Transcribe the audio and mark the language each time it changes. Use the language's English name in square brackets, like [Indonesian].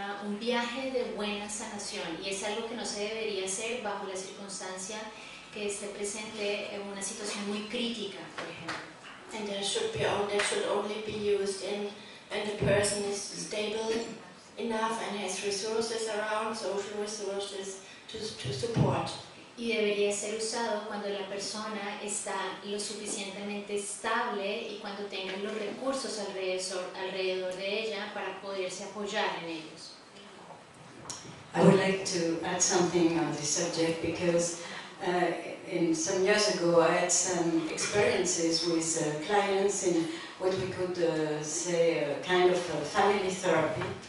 [Spanish] un viaje de buena sanación, y es algo que no se debería hacer bajo la circunstancia que esté presente en una situación muy crítica, por ejemplo. [English] And that should only be used in when the person is stable enough and has resources around, social resources to support. [Spanish] Y debería ser usado cuando la persona está lo suficientemente estable y cuando tenga los recursos alrededor de ella para poderse apoyar en ellos. [English] I would like to add something on this subject because in some years ago I had some experiences with clients in what we could say a kind of a family therapy.